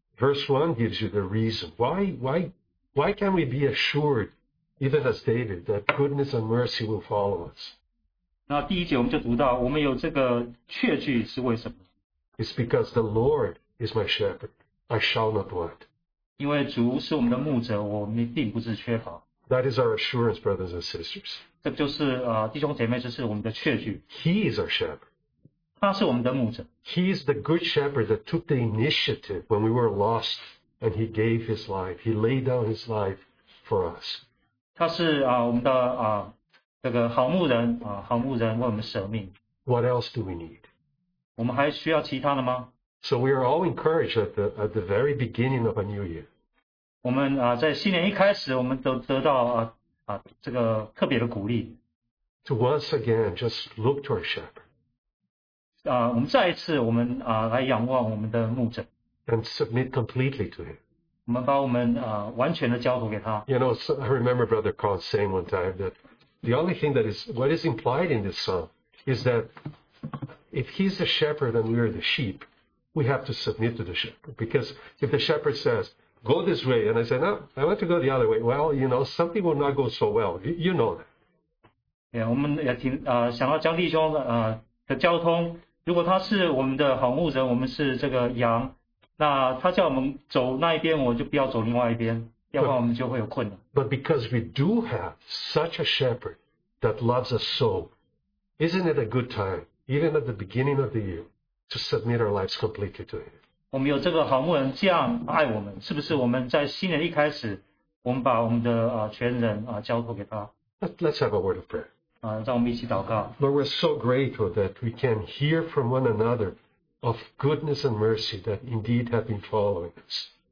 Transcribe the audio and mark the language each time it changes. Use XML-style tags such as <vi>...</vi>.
<en>Verse 1 gives you the reason. Why can we be assured, even as David, that goodness and mercy will follow us?</en> <zh>那第一节我们就读到，我们有这个确据是为什么？</zh> <en>It's because the Lord is my shepherd. I shall not want.</en> <zh>因为主是我们的牧者，我们并不是缺乏。</zh> <en>That is our assurance, brothers and sisters.</en> <zh>这就是弟兄姐妹，这是我们的确据。</zh> <en>He is our shepherd.</en> <zh>他是我们的牧者。</zh> <en>He is the good shepherd that took the initiative when we were lost, and he gave his life. He laid down his life for us.</en> <zh>他是我们的这个好牧人好牧人为我们舍命。</zh> <en>What else do we need?</en> <zh>我们还需要其他的吗？</zh> <en>So we are all encouraged at the very beginning of a new year.</en> <zh>我们在新年一开始，我们都得到这个特别的鼓励。</zh> <en>To once again just look to our shepherd.</en> <zh>我们再一次，我们来仰望我们的牧者。</zh> <en>And submit completely to him.</en> <zh>我们把我们完全的交托给他。</zh> <en>You know, I remember Brother Carl saying one time that the only thing that is what is implied in this psalm is that if he's the shepherd and we are the sheep, we have to submit to the shepherd. Because if the shepherd says,Go this way, and I said, no, I want to go the other way. Well, you know, something will not go so well. You know that. Yeah,</en> <zh>我们也听想要将弟兄的交通。如果他是我们的好牧者，我们是这个羊，那他叫我们走那一边，我就不要走另外一边，要不然我们就会有困难。</zh> <en>But because we do have such a shepherd that loves us so, isn't it a good time, even at the beginning of the year, to submit our lives completely to him?</en> <zh>我们有这个好牧人这样爱我们，是不是我们在新年一开始，我们把我们的全人交托给他</zh> <en>？Let's have a word of prayer.</en> <zh>让我们一起祷告。</zh> <en>Lord, we're so grateful that we can hear from one another of goodness and mercy that indeed have been following us.</en>